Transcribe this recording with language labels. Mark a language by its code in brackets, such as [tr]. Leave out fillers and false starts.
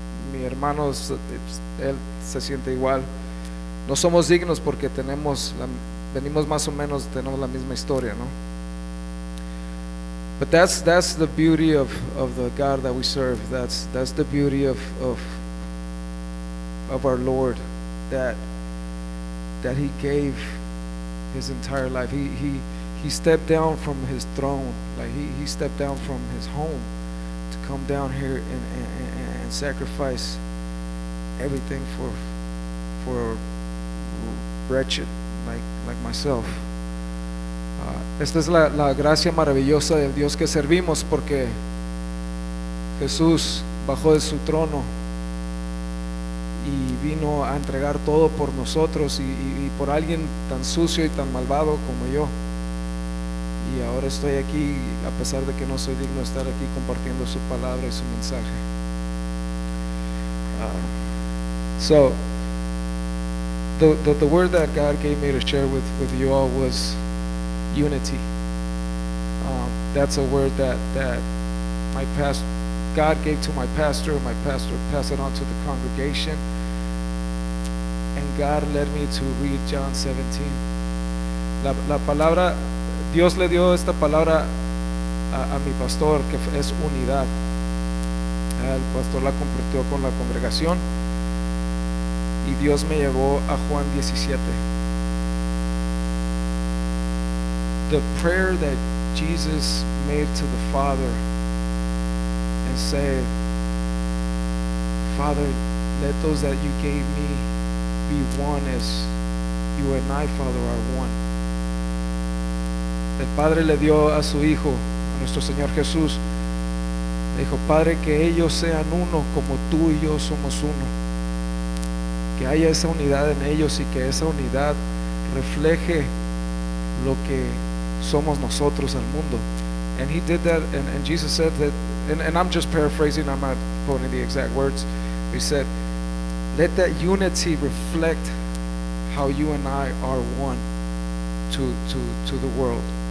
[es] Mi hermano, él se siente igual. No somos dignos porque venimos más o menos, tenemos la misma historia, ¿no? [en] But that's the beauty of the God that we serve. That's the beauty of our Lord, that that he gave his entire life. He stepped down from his throne, like he stepped down from his home to come down here and sacrifice everything for wretched like myself. [es] Esta es la gracia maravillosa del Dios que servimos, porque Jesús bajó de su trono y vino a entregar todo por nosotros y por alguien tan sucio y tan malvado como yo. Y ahora estoy aquí, a pesar de que no soy digno de estar aquí compartiendo su palabra y su mensaje. [en] So the word that God gave me to share with you all was unity. That's a word that my pastor, God gave to my pastor. My pastor passed it on to the congregation, and God led me to read John 17. [es] La palabra, Dios le dio esta palabra a mi pastor, que es unidad. El pastor la compartió con la congregación, y Dios me llevó a Juan 17. [en] The prayer that Jesus made to the Father and said, Father, let those that you gave me be one as you and I, Father, are one. [es] El Padre le dio a su Hijo, a nuestro Señor Jesús, le dijo, Padre, que ellos sean uno como tú y yo somos uno. Que haya esa unidad en ellos y que esa unidad refleje lo que somos nosotros al mundo. [en] And he did that, and Jesus said that, and I'm just paraphrasing, I'm not quoting the exact words. He said, let that unity reflect how you and I are one to the world.